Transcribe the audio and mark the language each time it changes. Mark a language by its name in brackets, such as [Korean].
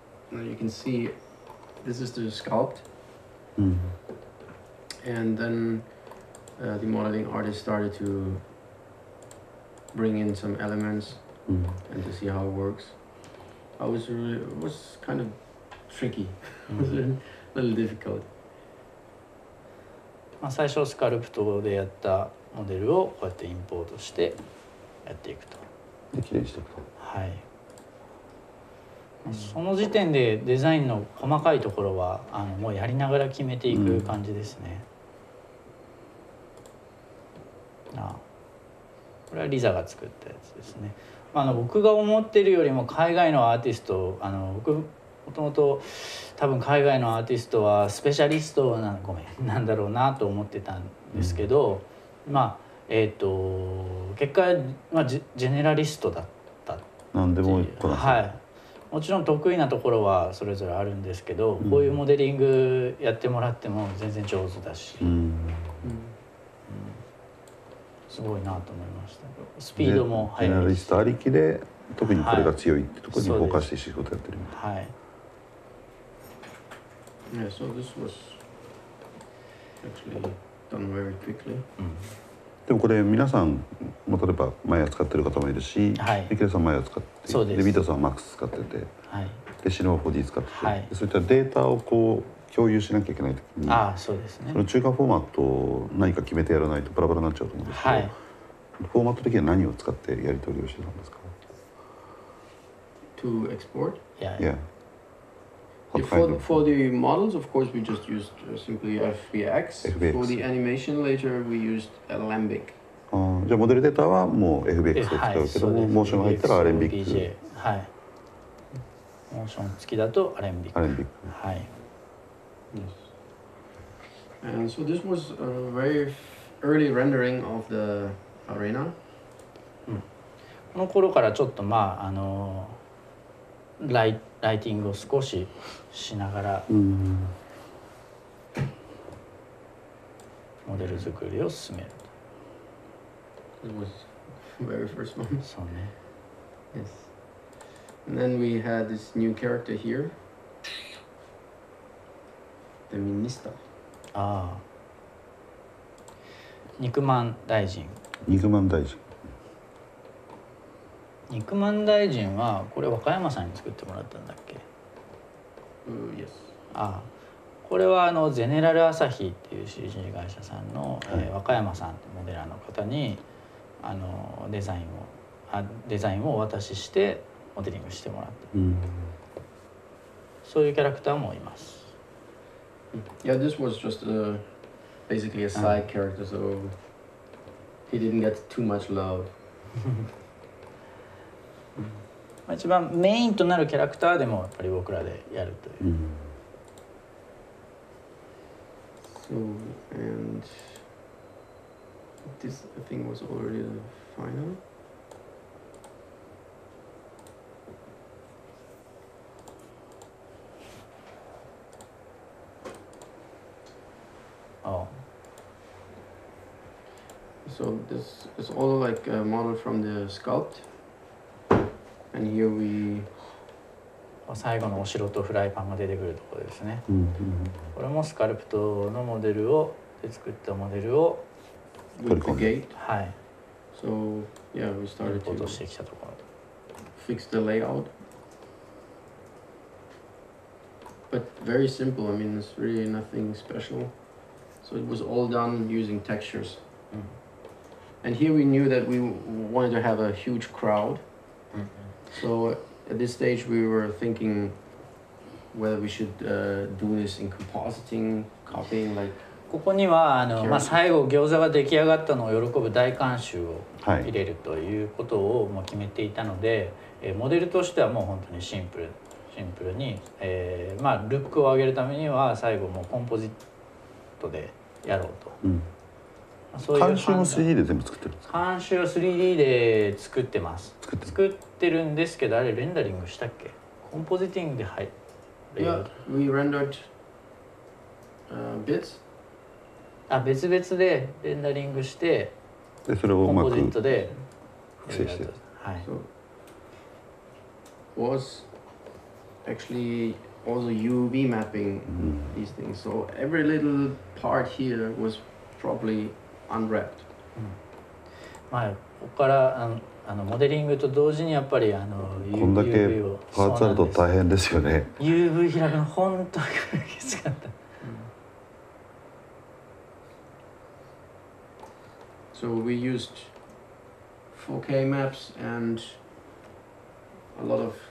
[English] Now you can see this is the sculpt. And then the modeling artist started to bring in some elements and to see how it works. I was really, it was kind of tricky. It was a little difficult. [Japanese] まあ、最初スカルプトでやったモデルをこうやってインポートしてやっていくと。で、綺麗にしていくと。はい。その時点でデザインの細かいところはあのもうやりながら決めていく感じですね。あ、これはリザが作ったやつですね。まあ、あの僕が思ってるよりも海外のアーティスト、あの僕もともと多分海外のアーティストはスペシャリストなん、ごめん、なんだろうなと思ってたんですけど、まあ結果は、まあ、ジェネラリストだったっていう。なんでも一個だ、はい、もちろん得意なところはそれぞれあるんですけど、こういうモデリングやってもらっても全然上手だし、うんうん、すごいなと思いました。スピードも速いし、ジェネラリストありきで特にこれが強いってところにフォーカスして仕事やってるみたいな。 [English] Yeah, so this was actually done very quickly. [Japanese] でもこれ皆さん、例えばマヤ使ってる方もいるし、はい、池田さんマヤ使って、そうです。で、ビートさんはマックス使ってて、はい、で、シノマ 4D 使ってて、はい、そういったデータをこう共有しなきゃいけないときに、ああ、そうですね。その中間フォーマットを何か決めてやらないとバラバラになっちゃうと思うんですけど、はい、フォーマット的には何を使ってやり取りをしてたんですか [English] ？To export? Yeah. Yeah. For the models, of course, we just used simply FBX. FBX. For the animation later, we used Alembic. [Japanese] じゃあモデルデータはもう FBX で使うけども、はい、モーション入ったら Alembic。はい。モーション付きだと Alembic。 Alembic。はい。 [English] Yes. And so this was a very early rendering of the arena.、 [Japanese] この頃からちょっとまああのライティングを少ししながらモデル作りを進める。 [English] It was very first one. [Japanese] そうね。 [English] Yes. And then we had this new character here, the minister. ああ。 [Japanese] 肉まん大臣。肉まん大臣。肉まん大臣はこれ和歌山さんに作ってもらったんだっけ？ [English] Yes. [Japanese] ああ、これはあのゼネラルアサヒっていう CG 会社さんの、はい、和歌山さんモデラーの方にあのデザインをデザインをお渡ししてモデリングしてもらった。そういうキャラクターもいます。 [English] Yeah, this was just a, basically a side character, so He didn't get too much love. [Japanese] 一番メインとなるキャラクターでもやっぱり僕らでやるという。 Mm-hmm. [English] So and this I think was already the final. Oh. So this is all like a model from the sculpt. And here we... [Japanese] 最後のお城とフライパンが出てくるところですね。 Mm-hmm. これもスカルプトのモデルをで作ったモデルを [English] with the gate. [Japanese] はい。 [English] So, yeah, we started to... [Japanese] 落としてきたところ。 [English] Fix the layout. But very simple. I mean, it's really nothing special. So it was all done using textures. Mm-hmm. And here we knew that we wanted to have a huge crowd. Mm-hmm. So at this stage we were thinking whether we should do this in compositing, copying, like... [Japanese] ここにはまあ、最後餃子が出来上がったのを喜ぶ大観衆を入れる、はい、ということをもう決めていたので、モデルとしてはもう本当にシンプルに、まあ、ルックを上げるためには最後もうコンポジットでやろうと。うん、監修も 3D で全部作ってるんですか？監修を 3D で作ってます。作ってるんですけど、あれレンダリングしたっけ？コンポジティングで入る。 [English] Yeah, we rendered bits. [Japanese] あ、別々でレンダリングして、でそれをコンポジットで複製して。はい。 [English] So, was actually. Also UV mapping、mm-hmm. these things, so every little part here was probably unwrapped. [Japanese] まあ、ここからモデリングと同時にやっぱりUV を。こんだけパーツあると大変ですよね。 UV 開くの本当にきつかった。 [English] So we used 4K maps and a lot of.